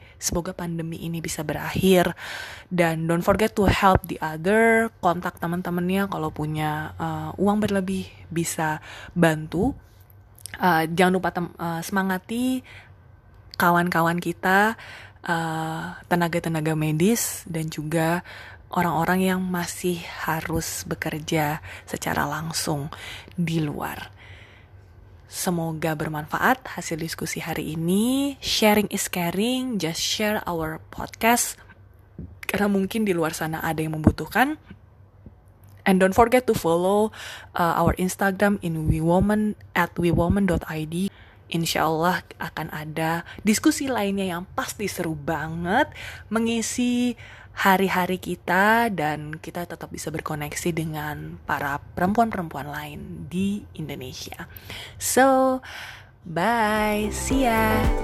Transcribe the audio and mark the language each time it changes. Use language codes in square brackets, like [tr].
[id] Semoga pandemi ini bisa berakhir. [en] Dan don't forget to help the other. [id] Kontak teman-temannya kalau punya uang berlebih bisa bantu. Jangan lupa semangati kawan-kawan kita, tenaga-tenaga medis, dan juga orang-orang yang masih harus bekerja secara langsung di luar. Semoga bermanfaat hasil diskusi hari ini. [en] Sharing is caring, just share our podcast. [id] Karena mungkin di luar sana ada yang membutuhkan. [en] And don't forget to follow our Instagram in wewoman at wewoman.id. [id] Insyaallah akan ada diskusi lainnya yang pasti seru banget mengisi hari-hari kita, dan kita tetap bisa berkoneksi dengan para perempuan-perempuan lain di Indonesia. [en] So, bye, see ya.